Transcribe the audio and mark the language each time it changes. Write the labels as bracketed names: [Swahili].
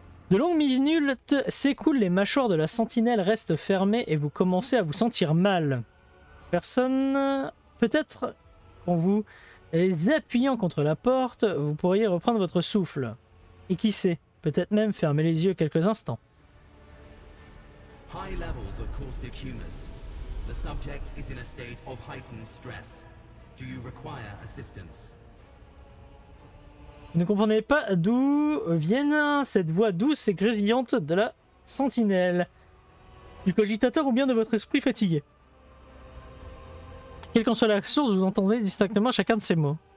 [French] De longues minutes s'écoulent, les mâchoires de la sentinelle restent fermées et vous commencez à vous sentir mal. Personne, peut-être qu'en vous appuyant contre la porte, vous pourriez reprendre votre souffle. Et qui sait, peut-être même fermer les yeux quelques instants. [English] High levels of caustic humus. The subject is in a state of heightened stress. Do you require assistance? [French] Vous ne comprenez pas d'où vient cette voix douce et grésillante de la sentinelle. Du cogitateur ou bien de votre esprit fatigué? Quelle qu'en soit la source, vous entendez distinctement chacun de ces mots.